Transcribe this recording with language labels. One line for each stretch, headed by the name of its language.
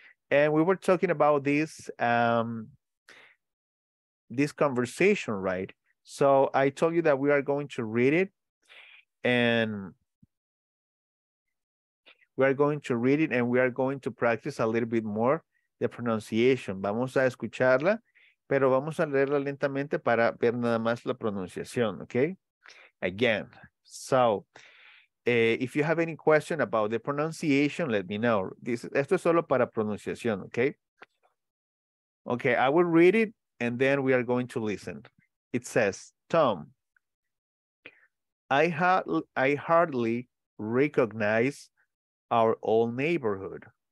English: And we were talking about this, this conversation, right? So I told you that we are going to read it and we are going to read it and we are going to practice a little bit more the pronunciation.
Spanish: Vamos a escucharla, pero vamos a leerla lentamente para ver nada más la pronunciación, okay?
English: Again, so if you have any question about the pronunciation, let me know.
Spanish: Esto es solo para pronunciación,
English: okay? Okay, I will read it and then we are going to listen. It says, Tom, I hardly recognize our old neighborhood.